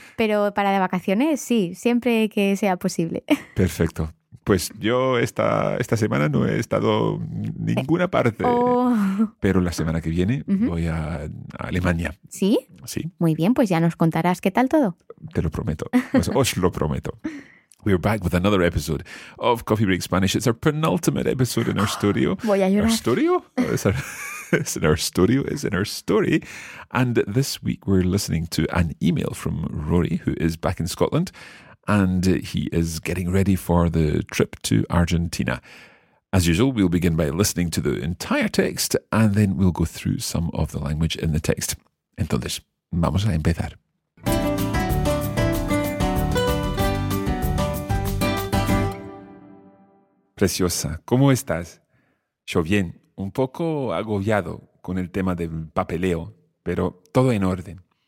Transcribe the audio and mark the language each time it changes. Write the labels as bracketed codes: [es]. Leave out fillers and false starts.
[es] Pero para de vacaciones, sí, siempre que sea posible. Perfecto. Pues yo esta semana no he estado ninguna parte. Pero la semana que viene voy a Alemania. ¿Sí? Sí. Muy bien, pues ya nos contarás qué tal todo. Te lo prometo. Pues os lo prometo. [en] We are back with another episode of Coffee Break Spanish. It's our penultimate episode in our studio. [es] Voy a llorar. [en] ¿Our studio? It's in our story. And this week we're listening to an email from Rory, who is back in Scotland, and he is getting ready for the trip to Argentina. As usual, we'll begin by listening to the entire text, and then we'll go through some of the language in the text. [es] Entonces, vamos a empezar. Preciosa, ¿cómo estás? Yo bien. Un poco agobiado con el tema del papeleo, pero todo en orden.